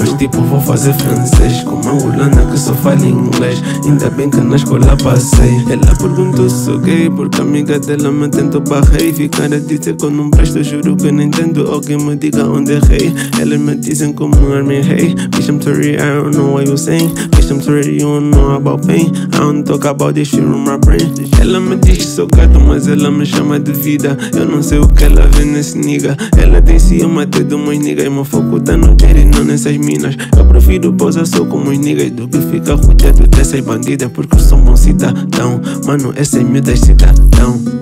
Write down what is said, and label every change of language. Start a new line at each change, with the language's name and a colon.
Portuguese: Mas tipo, vou fazer francês. Como angolana que só fala inglês. Ainda bem que na escola passei. Ela perguntou se sou gay. Porque a amiga dela me tentou barrer. E ficar a dizer que eu não presto. Juro que não entendo. Alguém me diga onde errei. Elas me dizem como um army rei.
English: Bitch, I'm sorry, I don't know what you saying. Bitch, I'm sorry, you don't know about pain. I don't talk about this shit in my brain.
Portuguese: Ela me diz que sou gato, mas ela me chama de vida. Eu não sei o que ela vê nesse nigga. Ela tem ciúme até de umas niggas. E meu foco tá no dele, não nessas minas. Eu prefiro pousar só com umas niggas do que ficar rodeado dessas bandidas. Porque eu sou um bom cidadão. Mano, essa é minha cidadão.